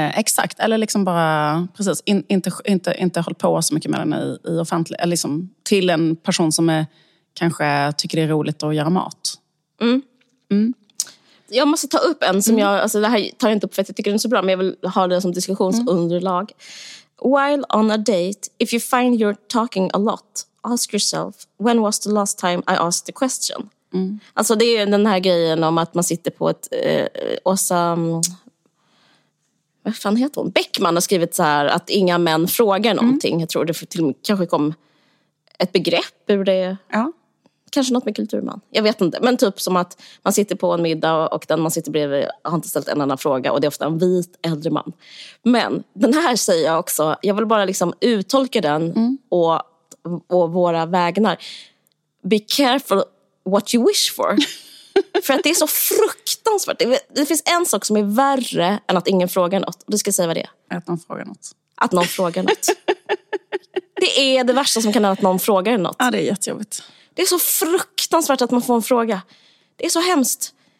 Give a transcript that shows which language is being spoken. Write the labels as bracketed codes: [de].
[sv] Exakt, eller liksom bara precis, inte håll på så mycket med den i offentlig, eller liksom till en person som är, kanske tycker det är roligt att göra mat. Jag måste ta upp en som jag, alltså det här tar jag inte upp för att jag tycker den är så bra, men jag vill ha det som diskussionsunderlag. [en] While on a date, if you find you're talking a lot, ask yourself, when was the last time I asked the question? Mm. [sv] Alltså det är ju den här grejen om att man sitter på ett... Åsa... Vad fan heter hon? Bäckman har skrivit så här att inga män frågar någonting. Jag tror det till och med kanske kom ett begrepp ur det. Ja. Kanske något med kulturman. Jag vet inte. Men typ som att man sitter på en middag och den man sitter bredvid har inte ställt en annan fråga. Och det är ofta en vit äldre man. Men den här säger jag också. Jag vill bara liksom uttolka den och våra vägnar. [en] Be careful what you wish for. [sv] För att det är så fruktansvärt. Det finns en sak som är värre än att ingen frågar något. Du ska säga vad det är. Att någon frågar något. Att någon frågar något. Det är det värsta som kan vara att någon frågar något. Ja, det är jättejobbigt. Det är så fruktansvärt att man får en fråga. Det är så hemskt.